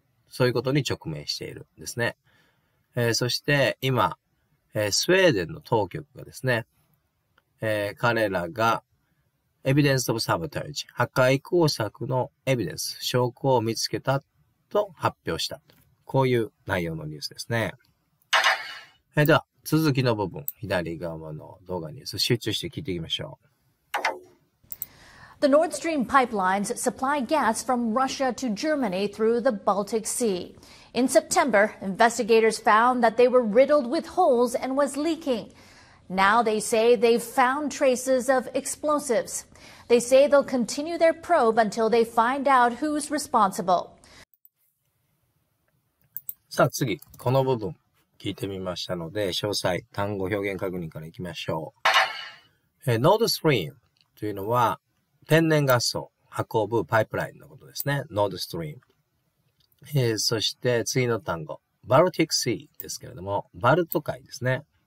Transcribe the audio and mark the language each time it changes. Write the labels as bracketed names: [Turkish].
[Japanese] そういうことに直面しているんですね。そして今、スウェーデンの当局がですね、彼らがエビデンスオブサボタージ、破壊工作のエビデンス、証拠を見つけたと発表した。こういう内容のニュースですね。では、続きの部分、左側の動画ニュース、集中して聞いていきましょう。 [English] The Nord Stream pipelines supply gas from Russia to Germany through the Baltic Sea. In September, investigators found that they were riddled with holes and was leaking. Now they say they've found traces of explosives. They say they'll continue their probe until they find out who's responsible. [Japanese] さあ次、この部分聞いてみましたので、詳細、単語表現確認からいきましょう。 Nord Stream というのは、天然ガスを運ぶパイプラインのことですね。Nord Stream。そして次の単語、Baltic Sea ですけれども、バルト海ですね。